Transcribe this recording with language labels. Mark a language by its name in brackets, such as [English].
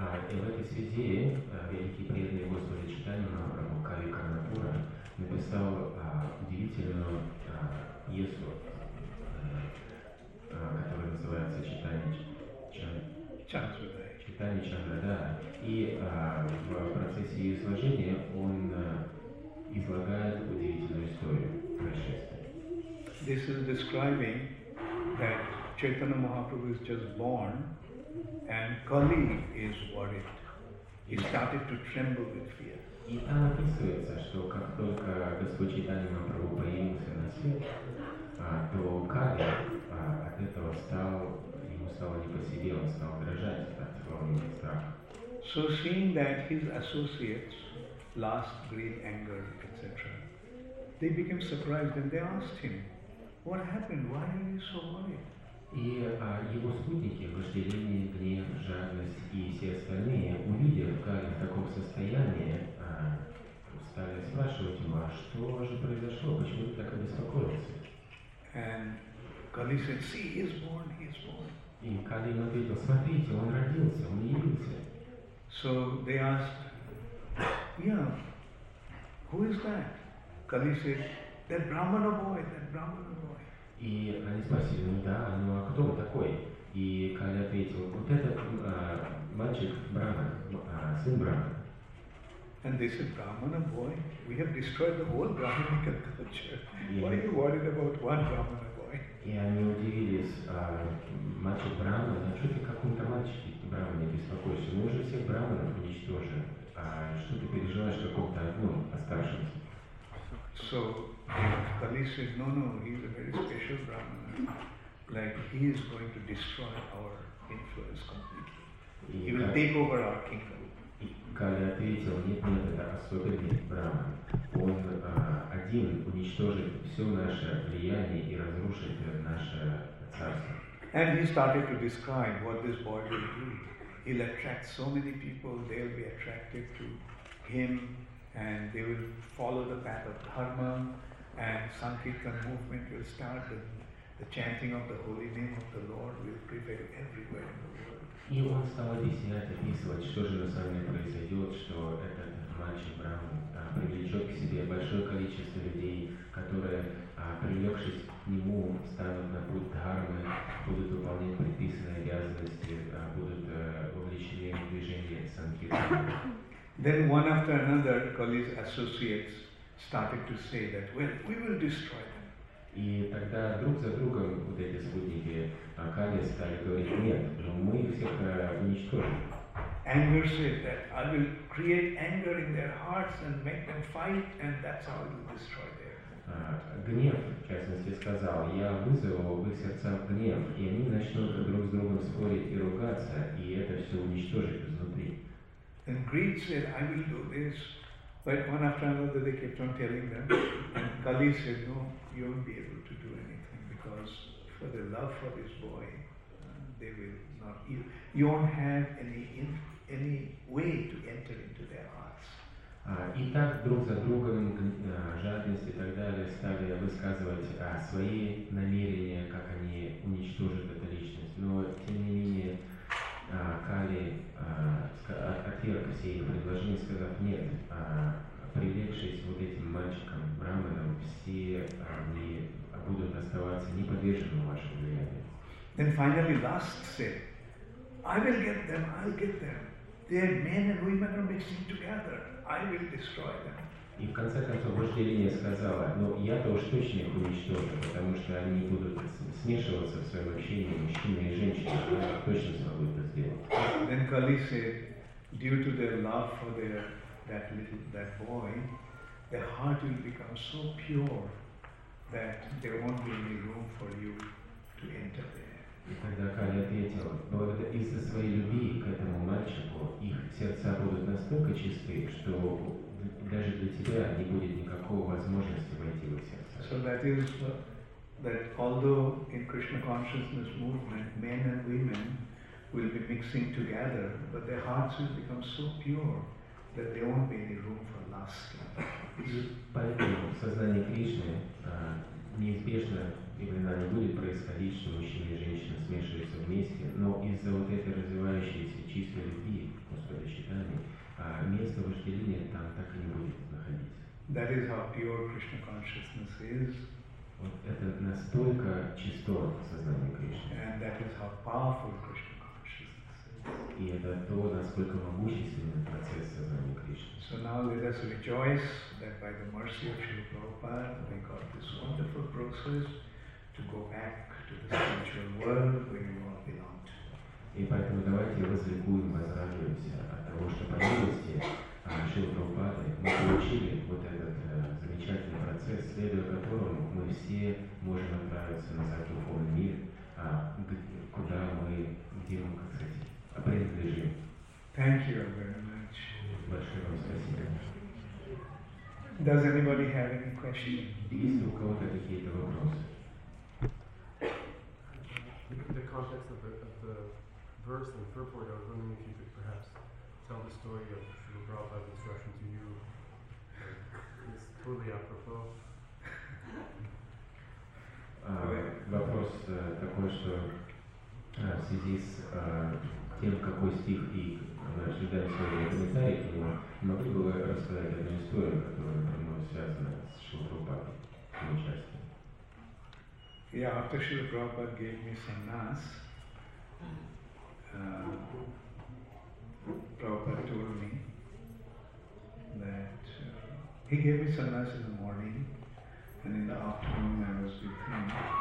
[Russian] И в этой связи великий преданный Господа Чайтанья Махапрабху Кави Карнапура написал удивительную пьесу, которая называется Чайтанья Чандрагай. И в процессе ее изложения он излагает удивительную историю происшествия. [English] This is describing that Chaitanya Mahaprabhu is just born and Kali is worried. He started to tremble with fear. [Russian] И там описывается, что как только Господь Чайтанья Махапрабху появился на свет, то Кали от этого ему стало не по себе, он стал дрожать от волнения и страха. [English] So seeing that his associates last great anger, etc. They became surprised and they asked him, what happened? Why are you so worried? [Russian] И его спутники, вожделение, гнев, жадность и все остальные, увидев, как в таком состоянии, стали спрашивать его, а что же произошло, почему ты так обеспокоился? [English] And Kali said, see, he is born. [Russian] И Кали ему ответил, смотрите, он родился, он явился. [English] So they asked, yeah, who is that? Kali said, that Brahmana boy. [Russian] И они спросили, ну а кто он такой? И Кали ответил, вот этот мальчик Брахмана, сын Брахмана. [English] And they said, Brahmana boy, we have destroyed the whole Brahmanical culture. Yeah. Why are you worried about one Brahmana boy? [Russian] И они удивились, мальчик Брахмана, а что ты каком-то мальчике Брахмане беспокоишься? Мы уже всех Брахманов уничтожили. Что ты переживаешь какого-то одного оставшегося? [English] So Kali said, no, he is a very special Brahmana. Like he is going to destroy our influence completely. He will take over our kingdom. [Russian] Kali ответил, нет, это особенный Брахман. Он один уничтожит все наше влияние и разрушит наше царство. [English] And he started to describe what this boy will do. He'll attract so many people, they'll be attracted to him and they will follow the path of dharma and Sankirtan movement will start and the chanting of the holy name of the Lord will prevail everywhere in the world. [Russian] И он стал объяснять, описывать, что же на самом деле произойдет, что этот мальчик Брахман привлечет к себе большое количество людей, которые, привлекшись к нему, станут на путь дхармы, будут выполнять предписанные обязанности, будут вовлечены в движение санкирты. [English] Then one after another, Kali's associates started to say that, well, we will destroy them. [Russian] И тогда друг за другом вот эти спутники Кали стали говорить, нет, но мы их всех уничтожим. [English] Anger said that I will create anger in their hearts and make them fight, and that's how I will destroy them. [Russian] гнев, в частности, сказал, я вызову в их сердцах гнев, и они начнут друг с другом спорить и ругаться, и это все уничтожить изнутри. [English] And greed said, I will do this, but one after another they kept on telling them. And Kali said, no, you won't be able to do anything because for the love for this boy, they will not. You won't have any way to enter into their hearts. [Russian] И так друг за другом жадность и так далее стали высказывать свои намерения, как они уничтожат эту личность. Но тем не менее Кали отверг все ее предложения, сказав, нет, привлекшись вот этим мальчиком, браманом, все они будут оставаться неподвижными в вашем влиянии. [English] Then finally Lust said, I will get them, I'll get them. They are men and women are mixing together. I will destroy them. [Russian] И в конце концов вожделение сказала, ну я-то уж точно их уничтожу, потому что они будут смешиваться в своем общении, мужчины и женщины, я точно смогу это сделать. [English] Then Kali said, due to their love for that boy, their heart will become so pure that there won't be any room for you to enter there. [Russian] И тогда Кали ответил, но это из-за своей любви к этому мальчику их сердца будут настолько чисты, что даже для тебя не будет никакого возможности войти в их сердце. [English] So that is that although in Krishna consciousness movement men and women will be mixing together, but their hearts will become so pure that there won't be any room for lust. [Russian] Поэтому в сознании Кришны неизбежно именно не будет происходить, что мужчины и женщины смешиваются вместе, но из-за вот этой развивающейся чистой любви, Господа Читания, место вожделения там так и не будет находиться. [English] That is how pure Krishna consciousness is. [Russian] Вот это настолько чисто сознание Кришны. [English] And that is how powerful Krishna consciousness is. [Russian] И это то, насколько могущественен процесс сознания Кришны. [English] So now let us rejoice that by the mercy of Śrīla Prabhupāda we got this wonderful process to go back to the spiritual world where you all belong to. [Russian] И поэтому давайте возликуем, возрадуемся от того, что по милости Шрила Прабхупады мы получили вот этот замечательный процесс, следуя которому мы все можем отправиться назад в духовный мир, куда мы, где мы, как сказать, принадлежим. [English] Thank you very much. [Russian] Большое вам спасибо. [English] Does anybody have any questions? [Russian] Есть ли у кого-то какие-то вопросы? [English] In the context of the verse and purport, I was wondering if you could perhaps tell the story of Srila Prabhupada's instruction to you. It's totally apropos. [Russian] Вопрос такой, что в связи с тем, какой стих и ожидаем своего комментария к нему, могли бы вы рассказать одну историю, которая прямо связана с Шрила Прабхупадой, его частью? [English] Yeah, after Srila Prabhupada gave me sannyas, Prabhupada told me that he gave me sannyas in the morning and in the afternoon I was with him.